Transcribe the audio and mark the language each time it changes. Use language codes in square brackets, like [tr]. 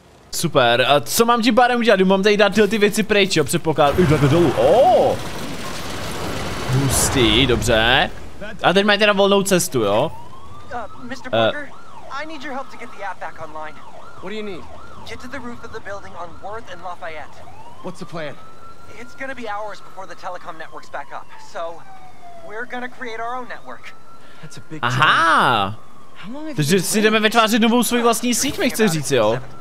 [cs] Super, a co mám tím pádem udělat? Mám tady dát tyhle ty věci pryč, jo, předpokládám. Už takhle dolů, ooo. Oh. Hustý, dobře. A teď mají teda volnou cestu, jo. [en] Mr. Parker, I need your help to get the app back online. What do you need? Get to the roof of the building on Worth and Lafayette. What's the plan? It's gonna be hours before the telecom network's back up, so we're gonna create our own network. That's a big deal. Aha! [cs] Takže si jdeme vytvářet novou svoji vlastní síť, mi chce říct, jo?